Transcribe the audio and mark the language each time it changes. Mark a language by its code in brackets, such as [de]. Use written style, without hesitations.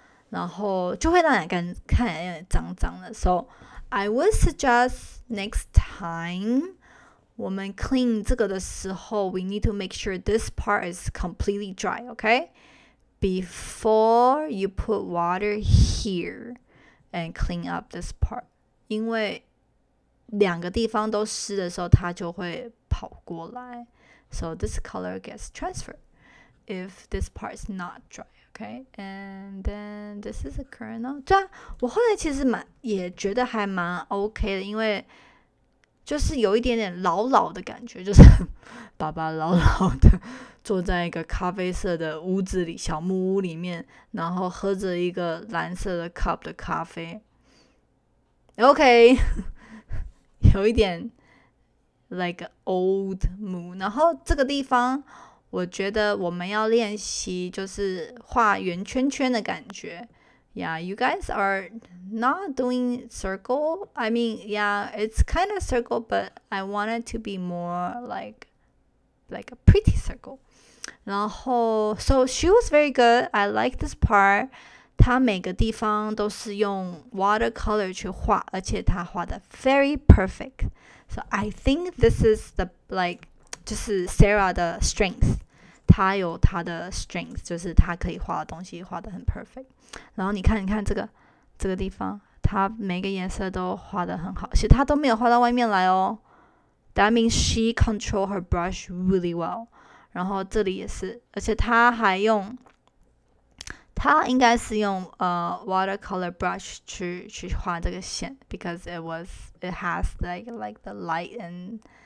[zh] 然后就会让你看起来脏脏的。 [en] So I would suggest next time [zh] 我们 [en] clean [zh] 这个的时候 [en] we need to make sure this part is completely dry, okay? Before you put water here and clean up this part. [zh] 因为两个地方都湿的时候它就会跑过来。 [en] So this color gets transferred if this part is not dry, okay? And then this is a kernel. [zh] 对啊，我后来其实也觉得还蛮 OK 的，因为就是有一点点老老的感觉，就是爸爸老老的坐在一个咖啡色的屋子里，小木屋里面，然后喝着一个蓝色的 cup 的咖啡。 [en] OK, [zh] 有一点 [en] like an old mood. [zh] 然后这个地方我觉得我们要练习就是画圆圈圈的感觉。 [en] Yeah, you guys are not doing circle. I mean, yeah, it's kind of circle, but I want it to be more like a pretty circle. 然后 so she was very good. I like this part. [zh] 她每个地方都是用 watercolor 去画，而且她画的 [en] very perfect. So I think this is the, like, [zh] 就是 [en] Sarah 的 strength. [zh] 他有他的 strength, 就是他可以画的东西画得很 perfect. 然后你看这个地方他每个颜色都画得很好，其实他都没有画到外面来哦。 [en] That means she controlled her brush really well. [zh] 然后这里也是，而且他应该是用watercolor brush 去画这个线 [en] because it has like the light and